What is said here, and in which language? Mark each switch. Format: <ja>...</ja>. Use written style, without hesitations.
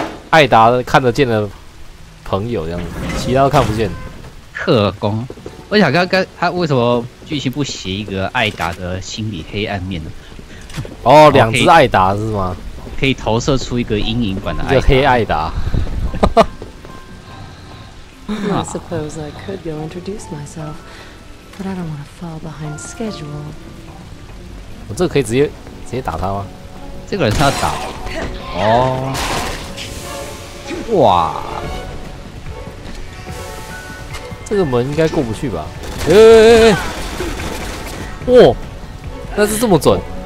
<zh>艾达看得见的朋友这样子，其他都看不见。特工。我想刚刚他为什么剧情不写一个艾达的心理黑暗面呢？哦，两只艾达是吗？可以投射出一个阴影版的艾达，一个黑艾达。</zh> <en>I suppose I could go introduce myself, but I don't want to fall behind schedule.</en> <zh>我这个可以直接打他吗？这个人是要打哦。哇！这个门应该过不去吧？欸、哇，那是这么准！</zh>